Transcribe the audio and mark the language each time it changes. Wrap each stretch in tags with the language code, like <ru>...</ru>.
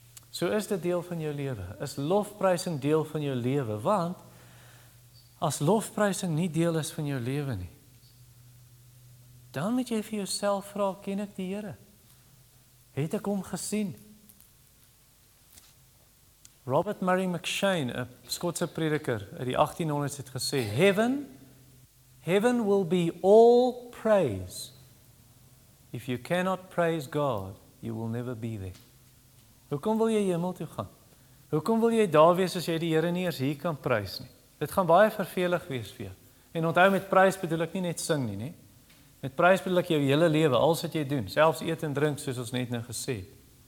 <af>So is dit deel van jou lewe. Is lofprysing deel van jou lewe? Want as lofprysing nie deel is van jou lewe nie, dan moet jy vir jouself vra, ken ek die Here? Het ek hom gesien? Robert Murray McShane, 'n Skotse prediker uit die 1800s het gesê,</af> <en>Heaven will be all praise. If you cannot praise God, you will never be there.</en> <af>Hoekom wil jy hemel toe gaan? Hoekom wil jy daar wees as jy die Here nie eers hier kan prys nie? Dit gaan baie vervelig wees vir jou. En onthou, met prys bedoel ek nie net sing nie, nie. Met prys bedoel ek jou hele lewe, alles wat jy doen, selfs eet en drink soos ons net nou gesê het.</af>